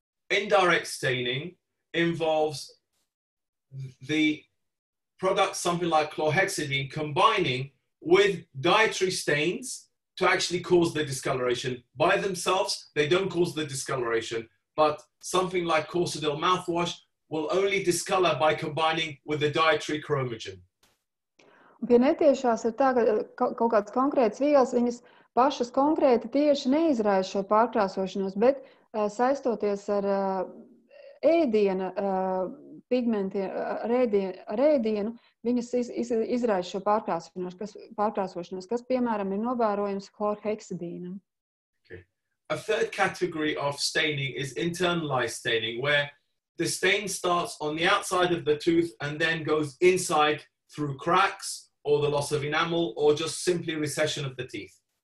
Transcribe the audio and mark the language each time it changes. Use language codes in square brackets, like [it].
[en] Indirect staining involves the product something like chlorhexidine combining with dietary stains to actually cause the discoloration. By themselves, they don't cause the discoloration, but something like Corsodil mouthwash will only discolor by combining with the dietary chromogen. [lv] Pie netiešās ir tā, ka kaut kāds konkrēts vielas, viņas pašas konkrēti tieši neizraisa šo pārkrāsošanos, bet saistoties ar ēdiena pigmenti, ēdienu, viņas izraisa šo pārkrāsošanos, kas piemēram ir novērojams chlorhexidīnam. [en] Okay. A third category of staining is internalized staining, where the stain starts on the outside of the tooth and then goes inside through cracks or the loss of enamel or just simply recession of the teeth.